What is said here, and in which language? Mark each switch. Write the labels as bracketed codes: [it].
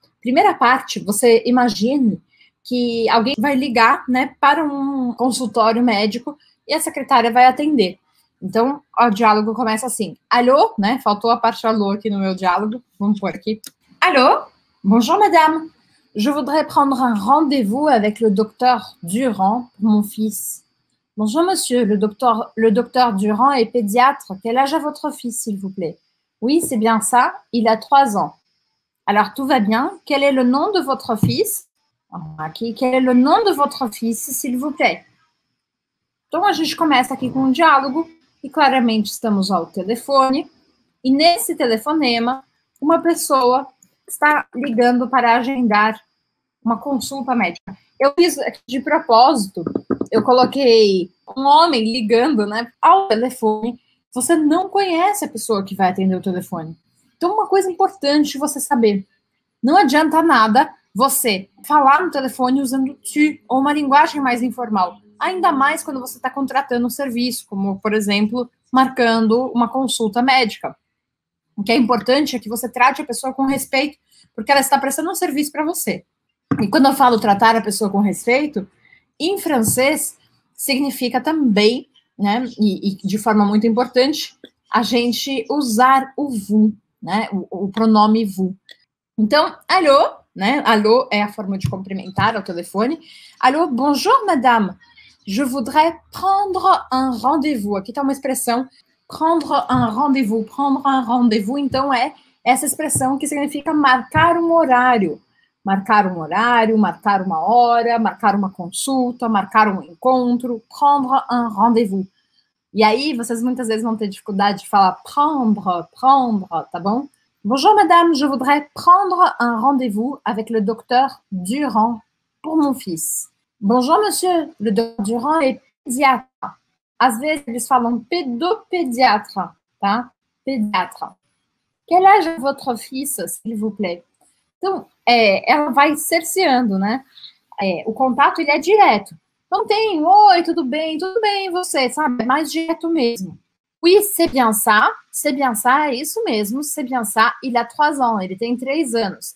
[pt] Primeira parte, você imagine que alguém vai ligar, né, para um consultório médico e a secretária vai atender. Então, o diálogo começa assim. Alô, né, faltou a parte alô aqui no meu diálogo. Vamos pôr aqui. Alô, [fr] bonjour madame. Je voudrais prendre un rendez-vous avec le docteur Durand pour mon fils. Bonjour monsieur, le docteur Durand est pédiatre. Quel âge a votre fils, s'il vous plaît? Oui, c'est bien ça, il a 3 ans. Alors, tout va bien. Quel est le nom de votre fils? [pt] Aqui, [fr] quel est le nom de votre fils, s'il vous plaît? [pt] Então, a gente começa aqui com um diálogo e claramente estamos ao telefone. E nesse telefonema, uma pessoa está ligando para agendar uma consulta médica. Eu fiz de propósito, eu coloquei um homem ligando, né, ao telefone. Você não conhece a pessoa que vai atender o telefone. Então, uma coisa importante você saber. Não adianta nada você falar no telefone usando tu ou uma linguagem mais informal. Ainda mais quando você está contratando um serviço, como, por exemplo, marcando uma consulta médica. O que é importante é que você trate a pessoa com respeito, porque ela está prestando um serviço para você. E quando eu falo tratar a pessoa com respeito, em francês, significa também, né, e de forma muito importante, a gente usar o vous, né, o pronome vous. Então, alô, né, alô é a forma de cumprimentar ao telefone. [fr] Alô, bonjour, madame. Je voudrais prendre un rendez-vous. [pt] Aqui está uma expressão. Prendre un rendez-vous, prendre un rendez-vous, então é essa expressão que significa marcar um horário. Marcar um horário, marcar uma hora, marcar uma consulta, marcar um encontro. Prendre un rendez-vous. E aí, vocês muitas vezes vão ter dificuldade de falar prendre, prendre, tá bom? [fr] Bonjour, madame, je voudrais prendre un rendez-vous avec le docteur Durand pour mon fils. Bonjour, monsieur, le docteur Durand est pédiatre. [pt] Às vezes eles falam pédopédiatre, tá? [fr] Pédiatre. Quel âge a votre fils, s'il vous plaît? [pt] Então, ela vai cerceando, né? O contato, ele é direto. Então tem, oi, tudo bem, você, sabe? Mais direto mesmo. [fr] Oui, c'est bien ça, [pt] é isso mesmo, [fr] c'est bien ça, il a 3 ans, [pt] ele tem 3 anos.